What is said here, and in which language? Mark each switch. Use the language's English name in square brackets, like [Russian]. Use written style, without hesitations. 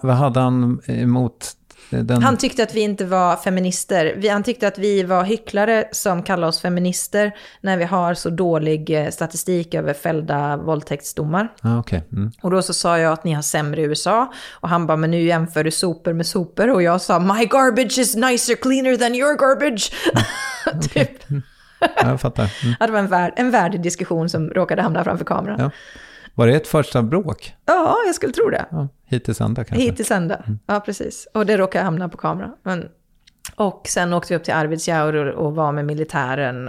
[Swedish] Vad hade han emot? Han tyckte att vi inte var feminister. Han tyckte att vi var hycklare som kallar oss feminister när vi har så dålig statistik över fällda våldtäktsdomar. Ah, okay. Mm. Och då så sa jag att ni har sämre i USA. Och han bara, men nu jämför du sopor med sopor. Och jag sa, [English] my garbage is nicer, cleaner than your garbage. [Swedish] Typ. Ja, jag fattar. Mm. Det var en värdig diskussion som råkade hamna framför kameran. Ja. Var det ett första bråk? Ja, jag skulle tro det. Ja, hittills ända kanske. Hittills ända, ja precis. Och det råkade hamna på kamera. Men, och sen åkte vi upp till Arvidsjaur och var med militären.